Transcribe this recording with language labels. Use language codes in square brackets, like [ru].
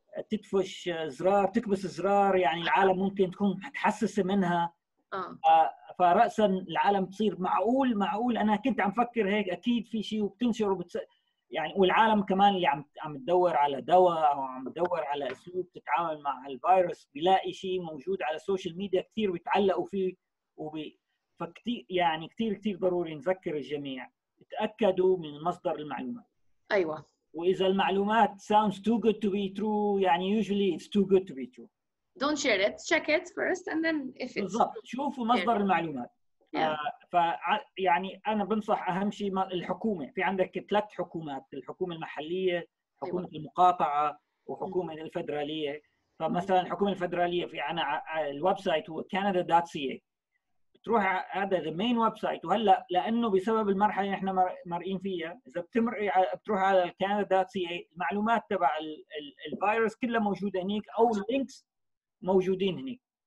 [ar] تدفش زرار تكبس زرار يعني العالم ممكن تكون متحسسة منها فرأسا العالم تصير معقول أنا كنت عم فكر هيك أكيد في شيء وبتنشر يعني والعالم كمان اللي عم تدور على دواء أو عم تدور على أسلوب تتعامل مع الفيروس بيلاقي شيء موجود على السوشيال ميديا كتير بيتعلقوا فيه فكتير يعني كتير ضروري نذكر الجميع تأكدوا من مصدر المعلومات أيوة وإذا المعلومات [en] sounds too good to be true [ar] يعني [en] usually it's too good to be true don't share it check it first and then if it's [ar] بالضبط شوفوا مصدر [en] yeah. [ar] المعلومات [en] yeah. [ar] يعني أنا بنصح أهم شيء الحكومة في عندك ثلاث حكومات الحكومة المحلية حكومة أيوة. المقاطعة وحكومة الفدرالية فمثلا الحكومة الفدرالية في أنا الويب سايت هو canada.ca تروح هذا [en] the main website [ar] وهلأ لأنه بسبب المرحلة اللي إحنا مرئين فيها إذا بتمرئي بتروح على canada.ca المعلومات تبع الفيروس كلها موجودة هناك أو links موجودين هناك